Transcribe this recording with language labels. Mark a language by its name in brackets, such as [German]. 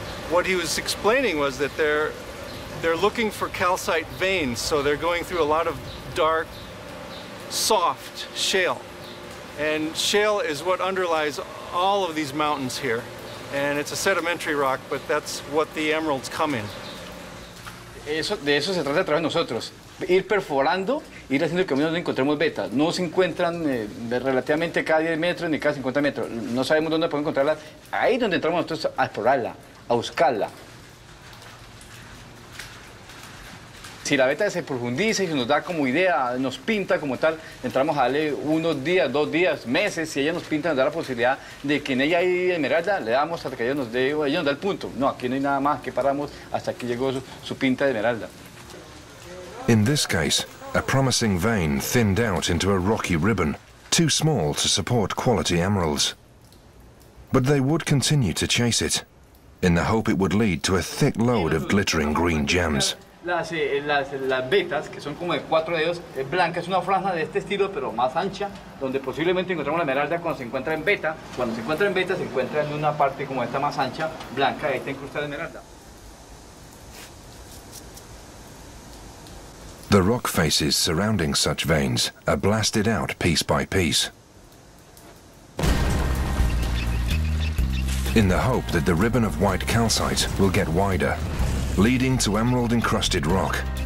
[English] What he was explaining was that they're looking for calcite veins, so they're going through a lot of dark, soft shale. And shale is what underlies all of these mountains here. And it's a sedimentary rock, but that's what the emeralds come in. [Spanish] De eso se trata a través de nosotros. Ir perforando, ir haciendo el camino donde encontremos betas. No se encuentran relativamente cada 10 metros ni cada 50 metros. No sabemos dónde podemos encontrarla. Ahí es donde entramos nosotros a explorarla, a buscarla. Si la beta se profundiza y se nos da como idea, nos pinta como tal, entramos a darle unos días, dos días, meses, si ella nos pinta, nos da la posibilidad de que en ella hay esmeralda, le damos hasta que ella nos dé, ella nos da el punto. No, aquí no hay nada más, aquí paramos hasta que llegó su pinta de esmeralda. [English] In this case, a promising vein thinned out into a rocky ribbon, too small to support quality emeralds. But they would continue to chase it, in the hope it would lead to a thick load of glittering green gems. [Spanish] Las vetas, que son como de cuatro dedos, es blanca, es una franja de este estilo, pero más ancha, donde posiblemente encontramos la esmeralda cuando se encuentra en beta. Cuando se encuentra en beta, se encuentra en una parte como esta más ancha, blanca, ahí está incrustada esmeralda. [English] The rock faces surrounding such veins are blasted out piece by piece, in the hope that the ribbon of white calcite will get wider, leading to emerald-encrusted rock.